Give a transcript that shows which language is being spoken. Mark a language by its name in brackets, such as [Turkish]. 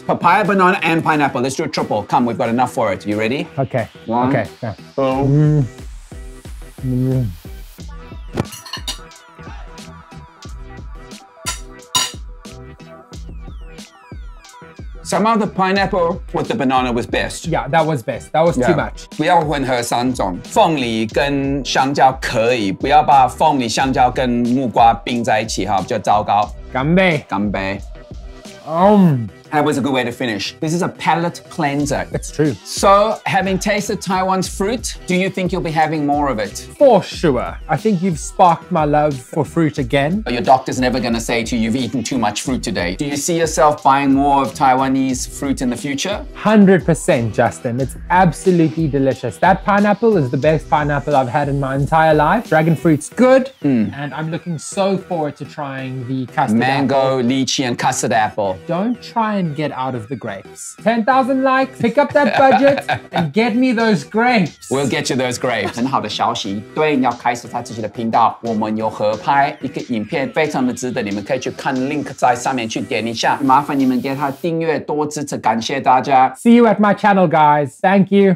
[English] Papaya, banana, and pineapple. Let's do a triple. Come, we've got enough for it. You ready? Okay. One. Okay. Somehow the pineapple with the banana was best. Yeah, that was best. That was too much. [Chinese] 不要混合三种，凤梨跟香蕉可以，不要把凤梨、香蕉跟木瓜并在一起，哈，比较糟糕。干杯！干杯！ [English] That was a good way to finish. This is a palate cleanser. It's true. So, having tasted Taiwan's fruit, do you think you'll be having more of it? For sure. I think you've sparked my love for fruit again. Your doctor's never going to say to you, you've eaten too much fruit today. Do you see yourself buying more of Taiwanese fruit in the future? 100%, Justin. It's absolutely delicious. That pineapple is the best pineapple I've had in my entire life. Dragon fruit's good. And I'm looking so forward to trying the custard mango, apple. Mango, lychee, and custard apple. Don't try. And get out of the grapes. 10,000 likes, pick up that budget and get me those grapes. We'll get you those grapes. [Chinese] 很好的消息，对，你要开始他自己的频道，我们有合拍一个影片，非常的值得，你们可以去看 link 在上面去点一下。麻烦你们给他订阅，多支持，感谢大家。 [English] See you at my channel, guys. Thank you.